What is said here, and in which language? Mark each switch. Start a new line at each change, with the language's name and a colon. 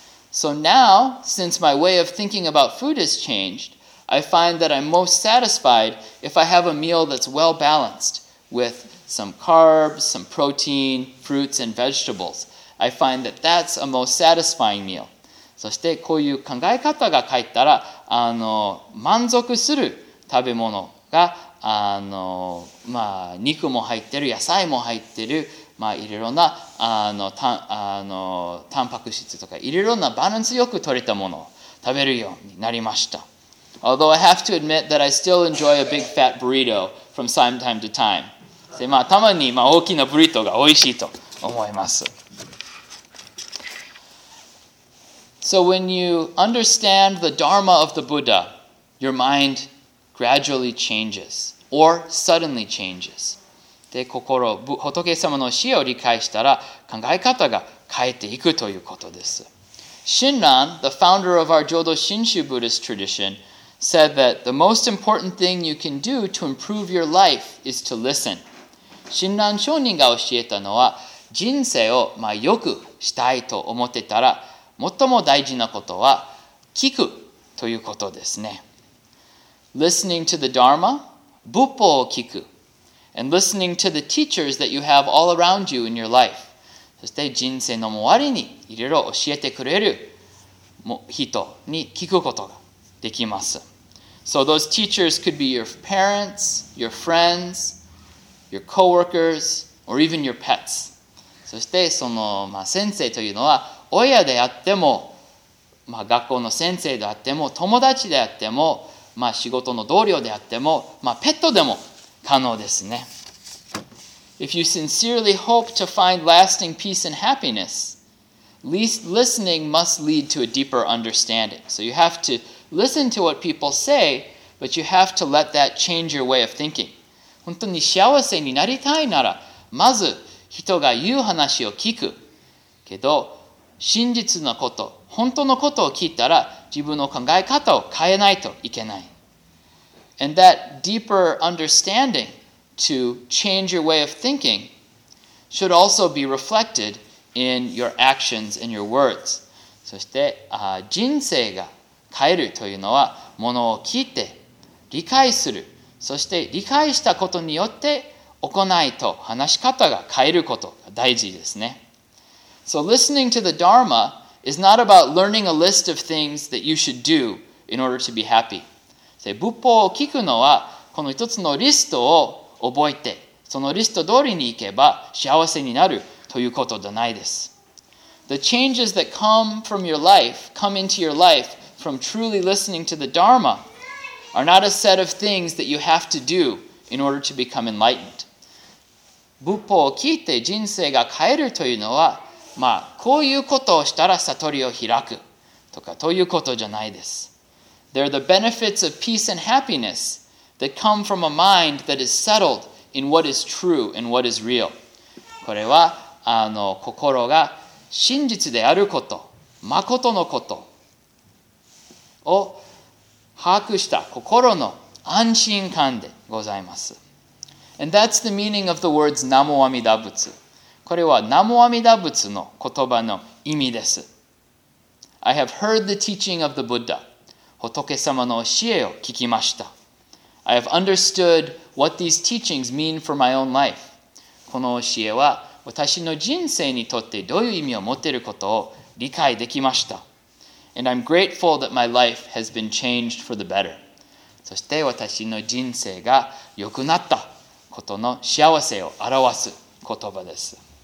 English: So now, since my way of thinking about food has changed, I find that I'm most satisfied if I have a meal that's well balanced with some carbs, some protein, fruits and vegetables. I find that that's a most satisfying meal.
Japanese: そしてこういう考え方が変えたら、満足する食べ物が、まあ、肉も入ってる、野菜も入ってる、まあ、いろいろなタンパク質とかいろいろなバランスよく取れたものを食べるようになりました。
English: Although I have to admit that I still enjoy a big fat burrito from time to time.
Japanese: で、まあ、たまに、まあ、大きなブリトが美味しいと思います。
English: So when you understand the Dharma of the Buddha, your mind gradually changes or suddenly changes.
Japanese: で心仏様の死を理解したら考え方が変えていくということです。
English: Shinran, the founder of our Jodo Shinshu Buddhist tradition, said that the most important thing you can do to improve your life is to listen.
Japanese: 親鸞聖人が教えたのは人生をまあ良くしたいと思ってたら最も大事なことは聞くということですね。
English: Listening to the Dharma,
Japanese: 仏法を聞く。
English: And listening to the teachers that you have all around you in your life.
Japanese: そして人生の終わりにいろいろ教えてくれる人に聞くことができます。
English: So those teachers could be your parents, your friends, your coworkers, or even your pets.
Japanese: そしてその、まあ、先生というのは親であっても、まあ、学校の先生であっても友達であっても、まあ、仕事の同僚であっても、まあ、ペットでも可能ですね。
English: If you sincerely hope to find lasting peace and happiness, listening must lead to a deeper understanding. So you have to listen to what people say, but you have to let that change your way of thinking.
Japanese: 本当に幸せになりたいなら、まず人が言う話を聞く。けど、真実のこと、本当のことを聞いたら、自分の考え方を変えないといけない。
English: And that deeper understanding to change your way of thinking should also be reflected in your actions and your words.
Japanese: そして、人生が変えるというのは、ものを聞いて理解する。そして理解したことによって行いと話し方が変えることが大事ですね。
English: So listening to the Dharma is not about learning a list of things that you should do in order to be happy.
Japanese: 仏法を聞くのは、この一つのリストを覚えて、そのリスト通りに行けば幸せになるということではないです。
English: The changes that come from your life, come into your life from truly listening to the Dharma are not a set of things that you have to do in order to become enlightened.
Japanese: 仏法を聞いて人生が変えるというのは、まあこういうことをしたら悟りを開くとかということじゃないです。
English: They're the benefits of peace and happiness that come from a mind that is settled in what is true and what is real.
Japanese: これは心が真実であること、誠のことを把握した心の安心感でございます。
English: And that's the meaning of the words 南無阿弥陀仏。
Japanese: これは南無阿弥陀仏の言葉の意味です。
English: I have heard the teaching of the Buddha.
Japanese: 仏様の教えを聞きました。
English: I have understood what these teachings mean for my own life.
Japanese: この教えは私の人生にとってどういう意味を持っていることを理解できました。
English: And I'm grateful that my life has been changed for the better.
Japanese: そして私の人生が良くなったことの幸せを表す言葉です。